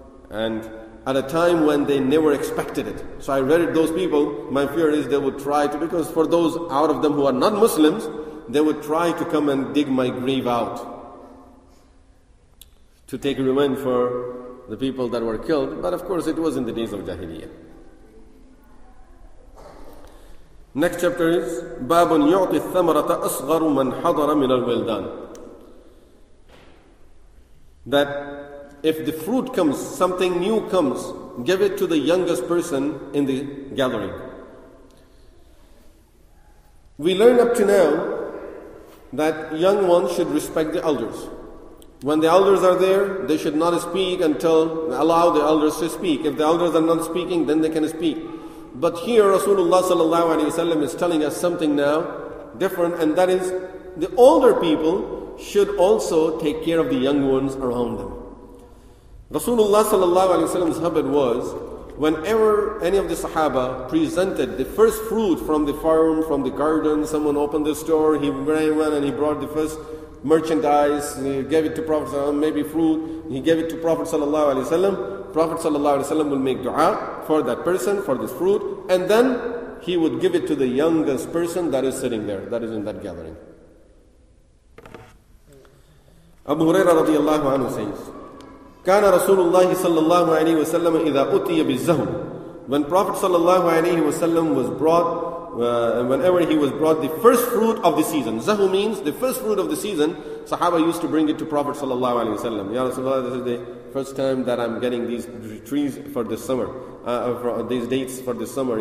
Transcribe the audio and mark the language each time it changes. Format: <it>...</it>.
<en>And at a time when they never expected it. So I read it, those people, my fear is they would try to, because for those out of them who are not Muslims, they would try to come and dig my grave out to take revenge for the people that were killed. But of course it was in the days of Jahiliyyah. Next chapter is</en> <ar>بَابٌ يُعْطِ الثَّمَرَةَ أَصْغَرُ مَنْ حَضَرَ مِنَ الْوِلْدَانِ.</ar> <en>That if the fruit comes, something new comes, give it to the youngest person in the gathering. We learn up to now that young ones should respect the elders. When the elders are there, they should not speak until allow the elders to speak. If the elders are not speaking, then they can speak. But here Rasulullah sallallahu alaihi wasallam is telling us something now different, and that is the older people should also take care of the young ones around them. Rasulullah sallallahu alayhi wa sallam's habit was, whenever any of the Sahaba presented the first fruit from the farm, from the garden, someone opened the store, he ran and he brought the first merchandise, and he gave it to Prophet ﷺ, maybe fruit, he gave it to Prophet ﷺ, Prophet ﷺ will make dua for that person, for this fruit, and then he would give it to the youngest person that is sitting there, that is in that gathering. Abu Huraira radiallahu anhu says,</en> <ar>كان رسول الله صلى الله عليه وسلم إذا أتي بالزهر.</ar> <en>When Prophet</en> <ar>صلى الله عليه وسلم</ar> <en>was brought, whenever he was brought the first fruit of the season, زهر means the first fruit of the season, Sahaba used to bring it to Prophet صلى الله عليه وسلم. Ya Rasulullah, this is the first time that I'm getting these trees for this summer, these dates for this summer.</en>